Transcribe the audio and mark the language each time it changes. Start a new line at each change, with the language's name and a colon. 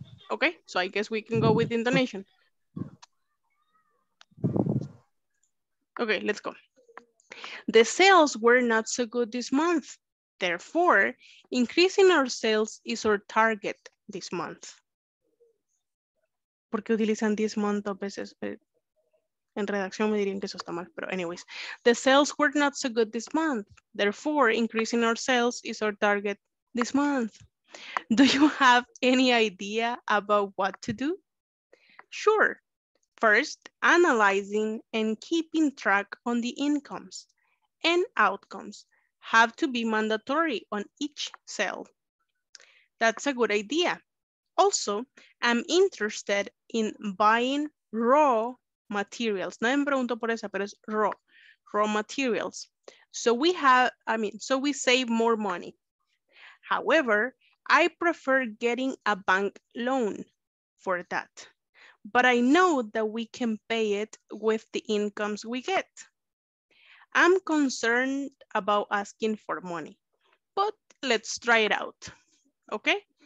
English: Okay, so I guess we can go with intonation. Okay, let's go. The sales were not so good this month. Therefore, increasing our sales is our target this month.
Spanish: Porque utilizan
English: this month
Spanish: dos veces. En redacción me dirían que eso está mal, pero anyways.
English: The sales were not so good this month. Therefore, increasing our sales is our target this month. Do you have any idea about what to do? Sure. First, analyzing and keeping track on the incomes and outcomes have to be mandatory on each cell. That's a good idea. Also, I'm interested in buying raw materials.
Spanish: No me pregunto por esa, pero es
English: raw materials. So we save more money. However, I prefer getting a bank loan for that. But I know that we can pay it with the incomes we get. I'm concerned about asking for money, but let's try it out, okay?